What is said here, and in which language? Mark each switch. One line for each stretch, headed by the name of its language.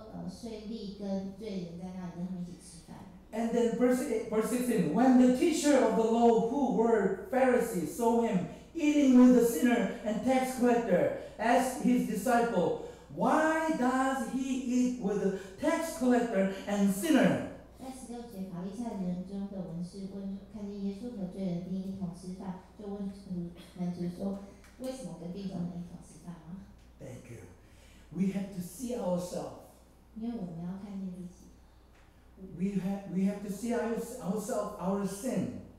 Chinese: 税吏跟罪人在那里跟他们一起吃饭。
English: And then verse 16, when the teacher of the law, who were Pharisees, saw him eating with the sinner and tax collector, asked his disciple, why does he eat with the tax collector and sinner?
Chinese: 在十六节，法利赛人中的文士问，看见耶稣和罪人并一同吃饭，就问门徒说，为什么跟罪人一同吃饭吗？
English: Thank you. We have to see ourselves.
Chinese: 因为我们要看见自己。
English: We have to see ourselves, our sin.